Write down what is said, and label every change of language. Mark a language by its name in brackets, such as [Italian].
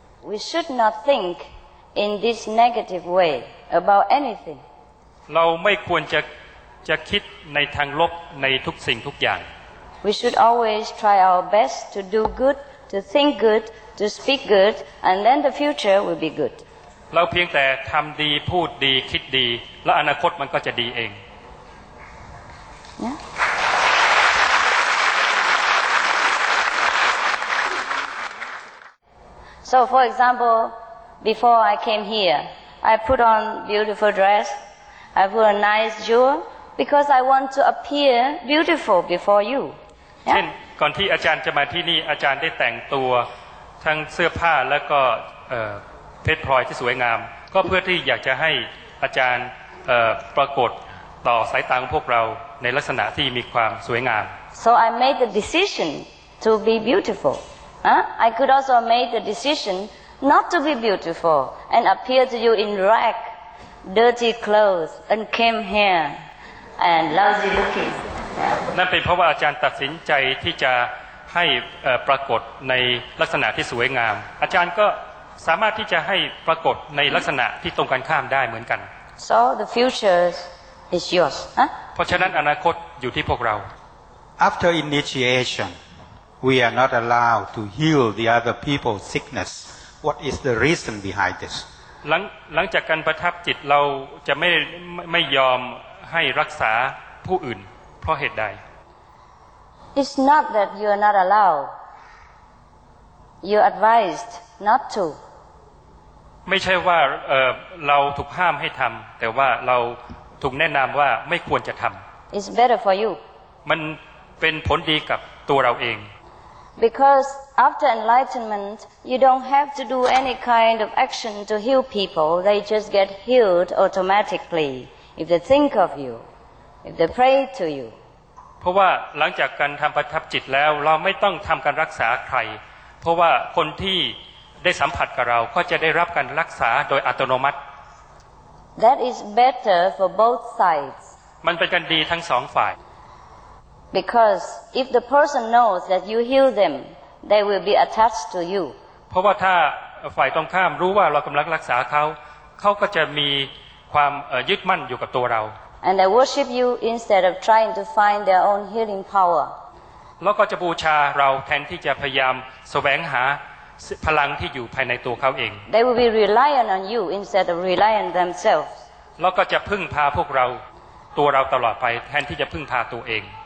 [English] We should not think in this negative way about anything. [Thai] เราไม่ควรจะคิดในทางลบในทุกสิ่งทุกอย่าง [English] We should always try our best to do good, to think good, to speak good, and then the future will be good. [Thai] เราเพียงแต่ทำดีพูดดีคิดดีแล้วอนาคตมันก็จะดีเอง [English] So, for example, before I came here, I put on beautiful dress, I put a nice jewel, because I want to appear beautiful before you. [Thai] เช่นก่อนที่อาจารย์จะมาที่นี่อาจารย์ได้แต่งตัวทั้งเสื้อผ้าแล้วก็เพชรพลอยที่สวยงามก็เพื่อที่อยากจะให้อาจารย์ปรากฏต่อสายตาของพวกเราในลักษณะที่มีความสวยงาม [English] So I made the decision to be beautifulI could also make the decision not to be beautiful and appear to you in rag, dirty clothes, unkempt hair, and lousy looking. [Thai] นั่นเป็นเพราะว่าอาจารย์ตัดสินใจที่จะให้ปรากฏในลักษณะที่สวยงามอาจารย์ก็สามารถที่จะให้ปรากฏในลักษณะที่ตรงกันข้ามได้เหมือนกัน [English] So the future is yours. [Thai] เพราะฉะนั้นอนาคตอยู่ที่พวกเรา [English] After initiation. We are not allowed to heal the other people's sickness. What is the reason behind this? [Thai] หลังจากการประทับจิตเราจะไม่ยอมให้รักษาผู้อื่นเพราะเหตุใด [English] It's not that you are not allowed. You are advised not to. [Thai] ไม่ใช่ว่าเราถูกห้ามให้ทำแต่ว่าเราถูกแนะนำว่าไม่ควรจะทำ [English] It's better for you. [Thai] มันเป็นผลดีกับตัวเราเอง [English] Because after enlightenment, you don't have to do any kind of action to heal people. They just get healed automatically if they think of you, if they pray to you. [Thai] เพราะว่าหลังจากการทำประทับจิตแล้วเราไม่ต้องทำการรักษาใครเพราะว่าคนที่ได้สัมผัสกับเราก็จะได้รับการรักษาโดยอัตโนมัติ [English] That is better for both sides. [Thai] มันเป็นการดีทั้งสองฝ่าย [English] Because if the person knows that you heal them, they will be attached to you. [Thai] เพราะว่าถ้า ฝ่ายตรงข้ามรู้ว่าเรากำลังรักษาเขาเขาก็จะมีความยึดมั่นอยู่กับตัวเรา [English] And I worship you instead of trying to find their own healing power [Thai] แล้วก็จะบูชาเราแทนที่จะพยายามแสวงหาพลังที่อยู่ภายในตัวเขาเอง [English] They will be reliant on you instead of reliant themselves [Thai] แล้วก็จะพึ่งพาพวกเราตัวเราตลอดไปแทนที่จะพึ่งพาตัวเอง